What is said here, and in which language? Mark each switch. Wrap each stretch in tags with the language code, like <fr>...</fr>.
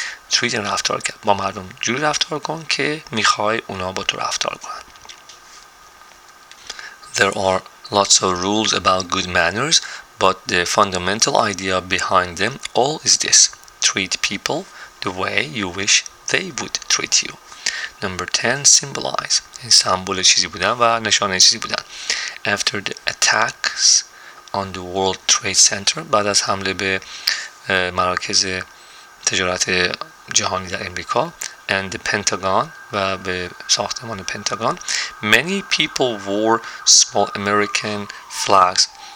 <en>Treat and</en> <fa>رفتار کن. با مردم جوری رفتار کن که میخوای اونا با تو رفتار کنن.</fa> <en>There are lots of rules about good manners, but the fundamental idea behind them all is this. Treat people the way you wish they would treat you. Number 10, symbolize.</en> <fa>این سمبول چیزی بودن و نشانه چیزی بودن.</fa> <en>After the attacks on the World Trade Center,</en> <fa>بعد از حمله به مراکز تجارت جهانی در امریکا</fa> <en>and the Pentagon</en> <fa>و به ساختمان پنتاگون,</fa> <en>many people wore small American flags.</en>